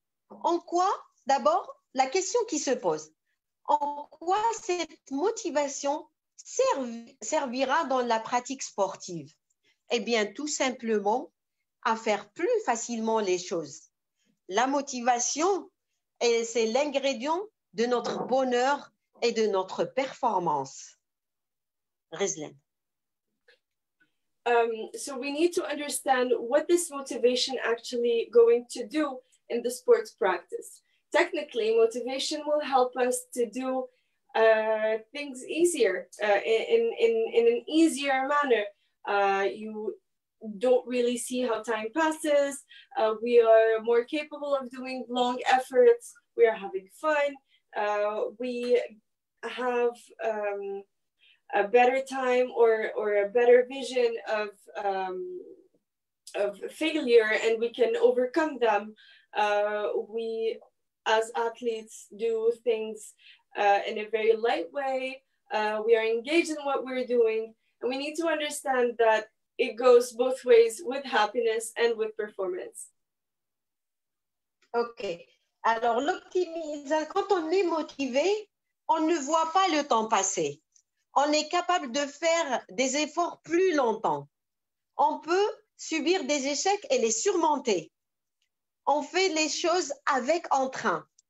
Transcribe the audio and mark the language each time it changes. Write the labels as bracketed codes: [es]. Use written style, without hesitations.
[fr] En quoi, d'abord, la question qui se pose, en quoi cette motivation servira dans la pratique sportive? Eh bien, tout simplement, à faire plus facilement les choses. La motivation, c'est l'ingrédient de notre bonheur et de notre performance. Rizlin. [en] So we need to understand what this motivation actually going to do in the sports practice. Technically, motivation will help us to do things easier, in an easier manner. You don't really see how time passes. We are more capable of doing long efforts. We are having fun. We have a better time or a better vision of failure, and we can overcome them. We as athletes do things in a very light way. We are engaged in what we're doing, and we need to understand that it goes both ways with happiness and with performance. Okay. [fr] Alors l'optimisation, quand on est motivé, on ne voit pas le temps passer. On est capable de faire des efforts plus longtemps. On peut subir des échecs et les surmonter. On fait les choses avec entrain.